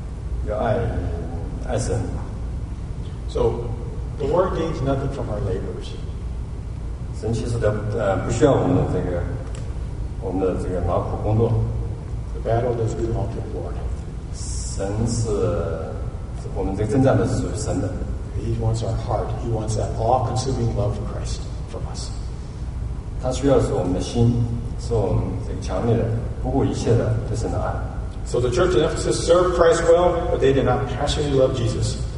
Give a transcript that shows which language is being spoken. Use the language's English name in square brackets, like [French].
[Chinese] 所以这个最重要的是要爱神。 [English] So the Lord gains nothing from our labors. [Chinese] 神其实不需要我们的劳苦工作。 [English] The battle does belong to the Lord. [Chinese] 神是我们这个征战的是属于神的。 [English] He wants our heart. He wants that all-consuming love of Christ from us. [Chinese] 他需要是我们的心，是我们这个强烈的、不顾一切的对神的爱。 [English] So the church in Ephesus served Christ well, but they did not passionately love Jesus.